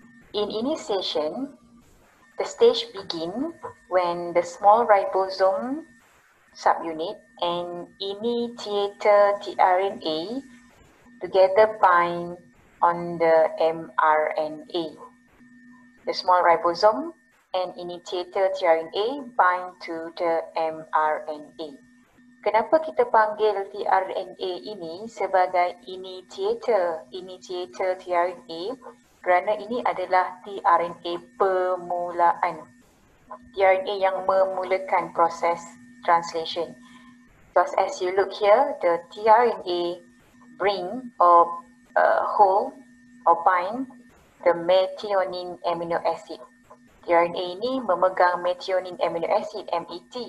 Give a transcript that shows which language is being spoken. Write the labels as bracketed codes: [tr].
[en] In initiation, the stage begins when the small ribosome subunit and initiator tRNA together bind on the mRNA. The small ribosome and initiator tRNA bind to the mRNA. [ms] Kenapa kita panggil tRNA ini sebagai initiator tRNA? Kerana ini adalah tRNA permulaan. tRNA yang memulakan proses translation. [en] Because as you look here, the tRNA bring or hold or bind the methionine amino acid. [ms] tRNA ini memegang methionine amino acid, MET.